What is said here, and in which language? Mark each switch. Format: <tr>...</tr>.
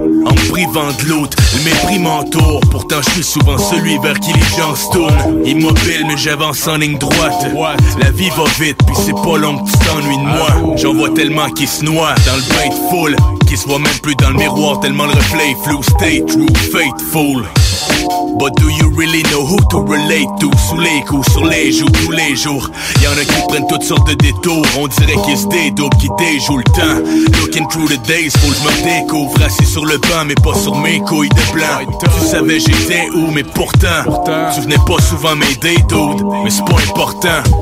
<fr>En me privant de l'autre, le mépris m'entoure. Pourtant je suis souvent celui vers qui les gens se tournent. Immobile mais j'avance en ligne droite. La vie va vite puis c'est pas long que tu t'ennuies de moi. J'en vois tellement qui se noient dans le bain de foule. Qui se voient même plus dans le miroir tellement le reflet est flou.</fr> <en>Stay true, faithful. But do you really know who to relate to?</en> <fr>Sous les coups, sur les joues, tous les jours. Y'en a qui prennent toutes sortes de détours. On dirait qu'ils se dédouent, qu'ils déjouent le temps.</fr> <en>Looking through the days,</en> <fr>faut que je me découvre. Assis sur le banc, mais pas sur mes couilles de blanc. Tu savais j'étais où, mais pourtant, tu venais pas souvent m'aider, dude. Mais c'est pas important.</fr>